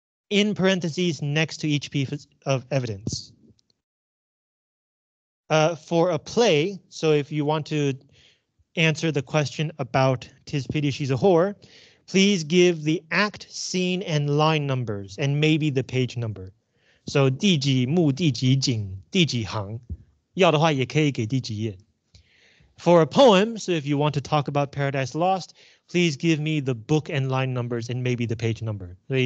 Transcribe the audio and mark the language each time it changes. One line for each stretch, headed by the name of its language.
English: In parentheses next to each piece of evidence. For a play, so if you want to answer the question about Tis Pity She's a Whore, please give the act, scene, and line numbers, and maybe the page number.
Chinese: So 第几幕第几景第几行, 要的话也可以给第几页.
English: For a poem, so if you want to talk about Paradise Lost, please give me the book and line numbers and maybe the page number.